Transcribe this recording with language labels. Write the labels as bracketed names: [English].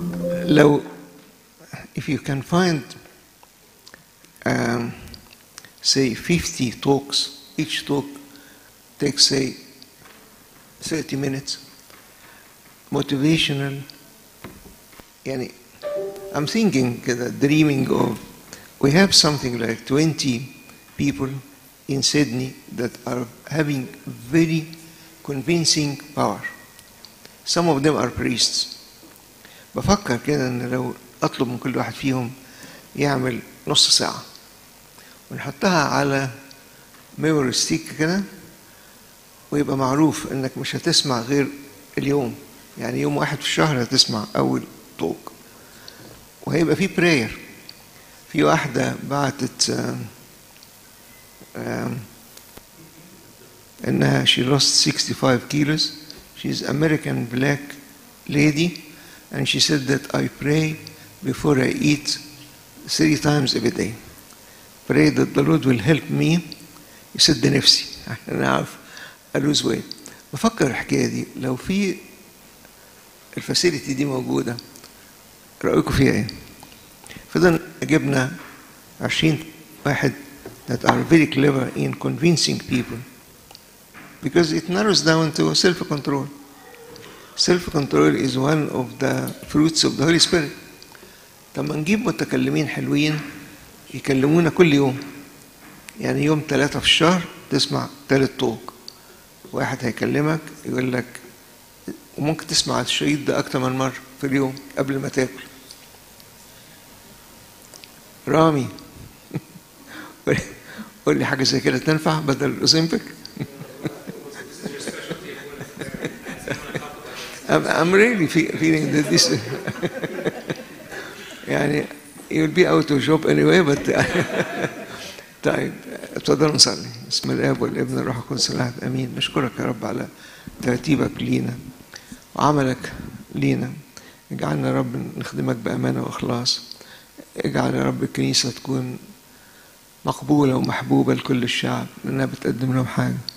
[English] لو if you can find say 50 talks, each talk takes say 30 minutes motivational, يعني I'm thinking, dreaming of, we have something like 20 people in Sydney that are having very convincing power. Some of them are priests. [Arabic] بفكر كده ان لو اطلب من كل واحد فيهم يعمل نص ساعة ونحطها على memory stick كده ويبقى معروف انك مش هتسمع غير اليوم, يعني يوم واحد في الشهر هتسمع اول talk. وهيبقى في براير. في واحدة بعتت انها [English] she lost 65 kilos, she's American black lady, and she said that I pray before I eat 3 times every day, pray that the Lord will help me [Arabic] يسد نفسي انا عارف [English] I lose weight. [Arabic] بفكر الحكاية دي لو في الفاسيليتي دي موجودة رأيكم فيها ايه؟ فإذن أجبنا 20 واحد [English] that are very clever in convincing people because it narrows down to self-control. Self-control is one of the fruits of the Holy Spirit. [Arabic] طب ما نجيب متكلمين حلوين يكلمونا كل يوم, يعني يوم ثلاثة في الشهر تسمع ثالث talk, واحد هيكلمك يقول لك, وممكن تسمع الشريط ده أكثر من مرة في اليوم قبل ما تاكل. رامي قول لي حاجة زي كده تنفع بدل الأوزمبيك. [English] I'm really feeling that this يعني it will be out of job anyway, but [Arabic] طيب اتفضل نصلي. بسم الاب والابن الروح القدس الاحد امين. نشكرك يا رب على ترتيبك لينا وعملك لينا. اجعلنا يا رب نخدمك بامانه واخلاص. اجعل يا رب الكنيسة تكون مقبولة ومحبوبة لكل الشعب لأنها بتقدم لهم حاجة.